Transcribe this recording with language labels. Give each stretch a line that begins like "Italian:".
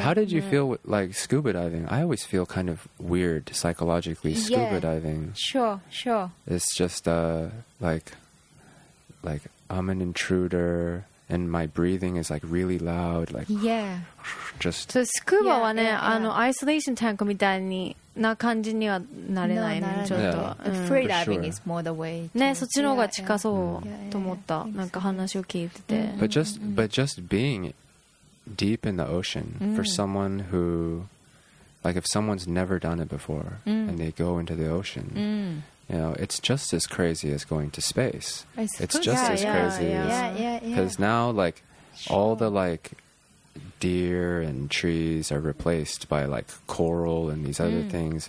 English: How did you feel with, like, scuba diving? I always feel kind of weird psychologically scuba diving. Sure. It's just like I'm an intruder. and my breathing is like really loud, like yeah, just.
Japanese: So scuba はね、あのアイソレーションタンクみたいにな感じにはなれないね、ちょっと。
English: Free diving is more the way.
Japanese: ね、そっちの方が近そうと思った。なんか話を聞いてて。
English: But just being deep in the ocean for someone who, like, if someone's never done it before and they go into the ocean. You know, it's just as crazy as going to space. It's just as crazy as... Because now, like, all the, like, deer and trees are replaced by, like, coral and these other things.